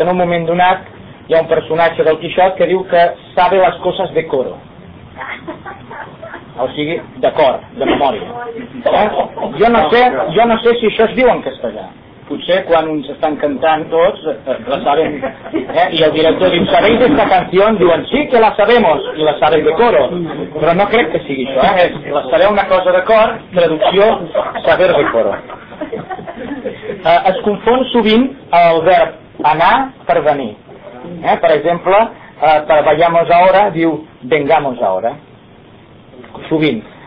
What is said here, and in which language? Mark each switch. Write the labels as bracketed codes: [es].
[ca] En un moment donat hi ha un personatge del Quixot que diu que sabe les coses [es] de coro, [ca] o sigui, de cor, de memòria. Jo no sé si això es diu en castellà. Potser quan uns estan cantant tots la saben, i el director diu, [es] ¿sabéis esta canción? [ca] Diuen, [es] sí que la sabemos, [ca] i la saben de coro, però no crec que sigui això, la sabeu una cosa de cor, traducció, [es] saber de coro. [ca] Es confon sovint el verb anar per venir, per exemple, per [es] vayamos ahora, [ca] diu [es] vengamos ahora, [ca] sovint.